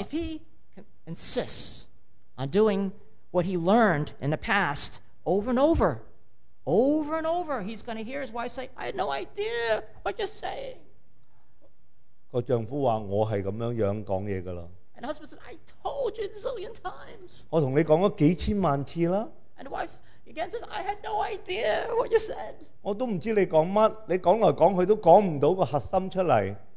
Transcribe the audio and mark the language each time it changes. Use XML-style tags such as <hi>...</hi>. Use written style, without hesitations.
<en>if he insists on doing what he learned in the past over and over, over and over, he's going to hear his wife say, I had no idea what you're saying.</en> <yue>個丈夫話：我係咁樣樣講嘢㗎啦。</yue> <en>And the husband says, I told you a zillion times.</en> <yue>我同你講咗幾千萬次啦。</yue> <en>And the wife again says, I had no idea what you said.</en> <yue>我都唔知你講乜，你講來講去都講唔到個核心出嚟。</yue>